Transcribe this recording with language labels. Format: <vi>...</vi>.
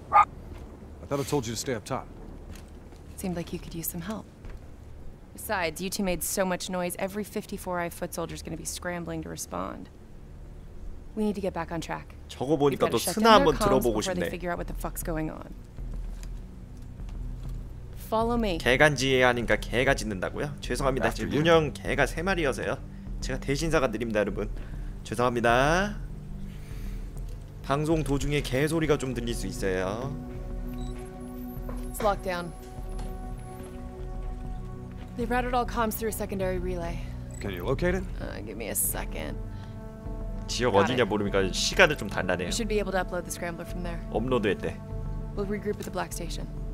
<en>I thought I told you to stay up top. Seemed like you could use some help. Besides, you two made so much noise, every 54i foot soldier is going to be scrambling to respond. We need to get back on track.</en> <ko>저거 보니까 또 스나 한번 들어보고 싶네.</ko> <en>Figure out what the fuck's going on. Follow me.</en> <ko>개간지하니까 개가 짖는다고요? 죄송합니다. 지금 운영 개가 세 마리여서요. 제가 대신 사과드립니다, 여러분. 죄송합니다. 방송 도중에 개 소리가 좀 들릴 수 있어요.</ko> <en>It's locked down. They routed all comms through a secondary relay. Can you locate it? Give me a second.</en> <ko>지역 어디냐 모르니까 시간을 좀 달라네요.</ko> <en>We should be able to upload the scrambler from there.</en> <ko>업로드했대.</ko> <en>We'll regroup at the black station.</en>